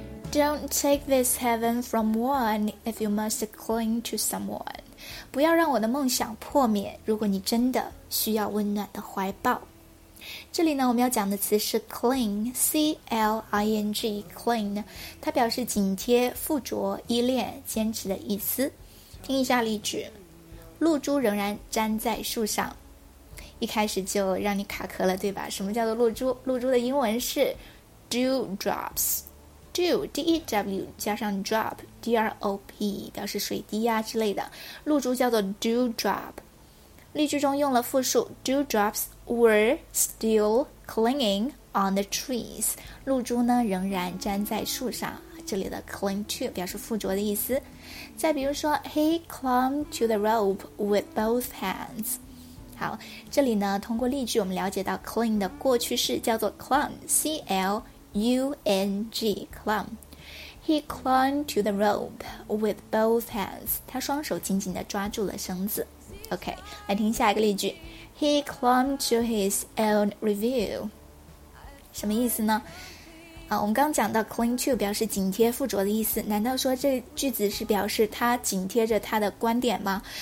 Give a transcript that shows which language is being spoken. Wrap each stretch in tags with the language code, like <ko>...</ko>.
<en>Don't take this heaven from one if you must cling to someone.</en> <zh>不要让我的梦想破灭，如果你真的需要温暖的怀抱。这里呢，我们要讲的词是 cling, C-L-I-N-G, cling. 它表示紧贴、附着、依恋、坚持的意思。听一下例句。露珠仍然粘在树上。一开始就让你卡壳了，对吧？什么叫做露珠？露珠的英文是 dew drops. Dew, D-E-W, 加上 drop, D-R-O-P, 表示水滴啊之类的。露珠叫做 dew drop。例句中用了复数</zh> <en>dew drops were still clinging on the trees。</en> <zh>露珠呢仍然粘在树上，这里的 cling to 表示附着的意思。再比如说</zh> <en>He clung to the rope with both hands。</en> <zh>好，这里呢通过例句我们了解到 cling 的过去式叫做 clung, C-L-U-N-G, clung.</zh> <en>He clung to the rope with both hands.</en> <zh>他双手紧紧地抓住了绳子。 OK, 来听下一个例句。</zh> <en>He clung to his own review.</en> <zh>什么意思呢？我们刚讲到 cling to 表示紧贴附着的意思，难道说这句子是表示他紧贴着他的观点吗？</zh>